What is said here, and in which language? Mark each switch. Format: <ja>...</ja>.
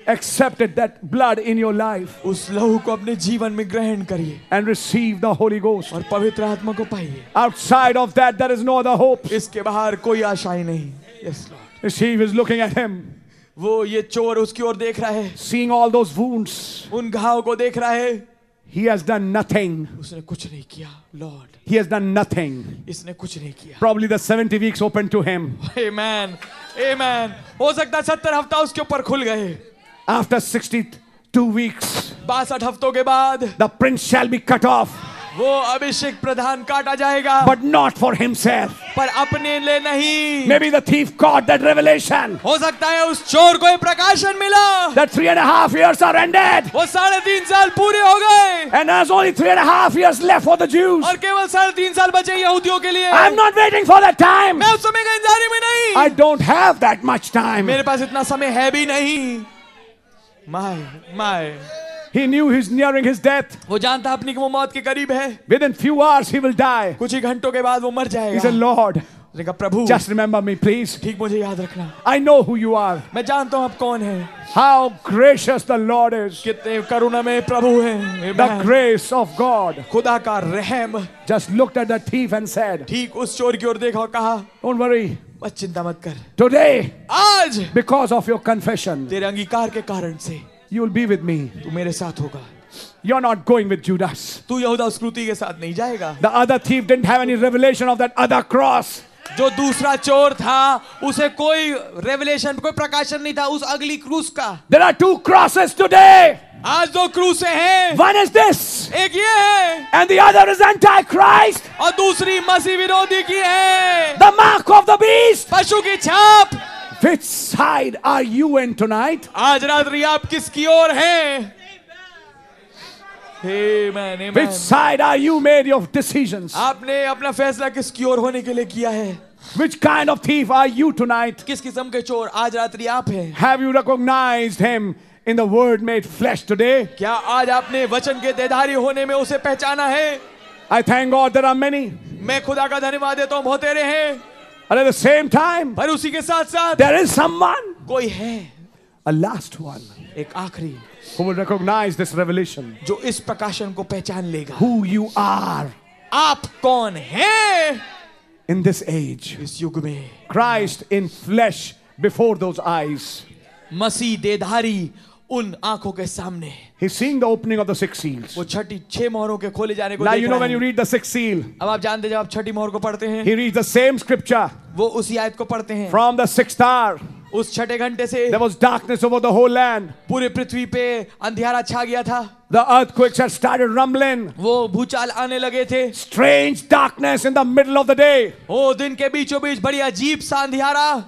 <en>Accepted that blood in your life.</en> <hi>उस लहू को अपने जीवन में ग्रहण करिए.</hi> <en>And receive the Holy Ghost.</en> <hi>और पवित्र आत्मा को पाइए.</hi> <en>Outside of that, there is no other hope.</en> <hi>इसके बाहर कोई आशाएं नहीं.</hi> <en>Yes, Lord. She is looking at him.</en> <hi>वो ये चोर उसकी ओर देख रहा है.</hi> <en>Seeing all those wounds.</en> <hi>उन घावों को देख रहा है.</hi> <en>He has done nothing.</en> <hi>उसने कुछ नहीं किया, Lord.</hi> <en>He has done nothing.</en> <hi>इसने कुछ नहीं किया.</hi> <en>Probably the 70 weeks open to him. Amen, amen.</en> <hi>हो सकता 70 हफ्ता उसके ऊपर खुल गए.</hi> <en>After 62 weeks.</en> <hi>62 हफ्तों के बाद.</hi> <en>The prince shall be cut off.</en> <hi>वो अभिषेक प्रधान काटा जाएगा.</hi> <en>But not for himself.</en> <hi>पर अपने लिए नहीं.</hi> <en>Maybe the thief caught that revelation.</en> <hi>हो सकता है उस चोर को ये प्रकाशन मिला.</hi> <en>That 3.5 years are ended.</en> <hi>वो 3.5 साल पूरे हो गए.</hi> <en>And there's only 3.5 years left for the Jews.</en> <hi>और केवल 3.5 साल बचे यहूदियों के लिए.</hi> <en>I'm not waiting for that time.</en> <hi>मैं उस समय का इंतजार में नहीं.</hi> <en>I don't have that much time.</en> <hi>मेरे पास इतना समय है भी नहीं.</hi> <en>My, my. He knew he's nearing his death.</en> <hi>वो जानता है अपनी कि वो मौत के करीब है.</hi> <en>Within few hours he will die.</en> <hi>कुछ ही घंटों के बाद वो मर जाएगा.</hi> <en>He said, Lord.</en> <hi>उसने कहा प्रभु.</hi> <en>Just remember me, please.</en> <hi>ठीक मुझे याद रखना.</hi> <en>I know who you are.</en> <hi>मैं जानता हूँ आप कौन हैं.</hi> <en>How gracious the Lord is.</en> <hi>कितने करुणामय प्रभु हैं.</hi> <en>The grace of God.</en> <hi>खुदा का रहम.</hi> <en>Just looked at the thief and said.</en> <hi>ठीक उस चोर की ओर देखा और कहा.</hi> <en>Don't worry.</en> <hi>मत चिंता मत कर.</hi> <en>Today.</en> <hi>आज.</hi> <en>Because of your confession.</en> <hi>तेरे अंगीकार के कारण से.</hi> <en>You will be with me.</en> <hi>तू मेरे साथ होगा.</hi> <en>You are not going with Judas.</en> <hi>तू यहूदा स्क्रूति के साथ नहीं जाएगा.</hi> <en>The other thief didn't have any revelation of that other cross.</en> <hi>जो दूसरा चोर था, उसे कोई revelation, कोई प्रकाशन नहीं था उस अगली क्रूस का.</hi> <en>There are two crosses today.</en> <hi>आज दो क्रूसें हैं.</hi> <en>One is this.</en> <hi>एक ये है.</hi> <en>And the other is Antichrist.</en> <hi>और दूसरी मसीह विरोधी की है.</hi> <en>The mark of the beast.</en> <hi>पशु की छाप.</hi> <en>Which side are you in tonight?</en> <hi>आज रात्रि आप किसकी ओर हैं?</hi> <en>Amen, amen. Which side are you made your decisions?</en> <hi>आपने अपना फैसला किसकी ओर होने के लिए किया है?</hi> <en>Which kind of thief are you tonight?</en> <hi>किस किस्म के चोर आज रात्रि आप हैं?</hi> <en>Have you recognized him in the Word made flesh today?</en> <hi>क्या आज आपने वचन के देहधारी होने में उसे पहचाना है?</hi> <en>I thank God there are many.</en> <hi>मैं खुदा का धन्यवाद देता हूँ बहुत तेरे हैं.</hi> <en>And at the same time,</en> <hi>पर उसी के साथ साथ,</hi> <en>there is someone,</en> <hi>कोई है,</hi> <en>a last one,</en> <hi>एक आखरी,</hi> <en>who will recognize this revelation,</en> <hi>जो इस प्रकाशन को पहचान लेगा,</hi> <en>who you are,</en> <hi>आप कौन हैं,</hi> <en>in this age,</en> <hi>इस युग में,</hi> <en>Christ in flesh before those eyes,</en> <hi>मसीह देहधारी उन आंखों के सामने.</hi> <en>He's seeing the opening of the six seals.</en> <hi>वो छठी छह मोहरों के खोले जाने को देख रहा है.</hi> <en>Now you know when you read the sixth seal.</en> <hi>अब आप जानते हैं जब आप छठी मोहर को पढ़ते हैं.</hi> <en>He reads the same scripture.</en> <hi>वो उसी आयत को पढ़ते हैं.</hi> <en>From the sixth hour.</en> <hi>उस छठे घंटे से.</hi> <en>There was darkness over the whole land.</en> <hi>पूरे पृथ्वी पे अंधियारा छा गया था.</hi> <en>The earthquakes had started rumbling.</en> <hi>वो भूचाल आने लगे थे.</hi> <en>Strange darkness in the middle of the day.</en> <hi>ओ दिन के बीचों बीच बड़ी अजीब सा अंधियारा.</hi>